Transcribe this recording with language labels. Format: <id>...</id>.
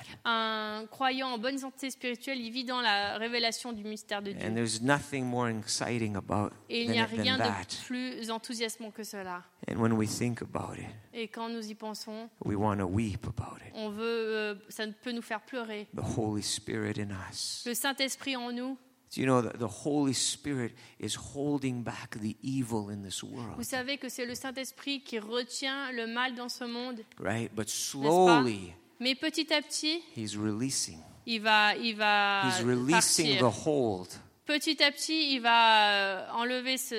<fr>Un croyant en bonne santé spirituelle, il vit dans la révélation du mystère de Dieu.</fr> <en>And there's nothing more exciting about it.</en> <fr>Et il n'y a rien de plus enthousiasmant que cela.</fr> <en>And when we think about it.</en> <fr>Et quand nous y pensons,</fr> <en>we want to weep about it.</en> <fr>On veut ça peut nous faire pleurer.</fr> <en>The Holy Spirit in us.</en> <fr>Le Saint-Esprit en nous.</fr> <en>You know that the Holy Spirit is holding back the evil in this world.</en> <fr>Vous savez que c'est le Saint-Esprit qui retient le mal dans ce monde.</fr> <en>Right, but slowly.</en> <fr>Mais petit à petit,</fr> <en>he's releasing.</en> <fr>Il va</fr> <en>he's releasing The hold.</en> <fr>Petit à petit, il va enlever</fr>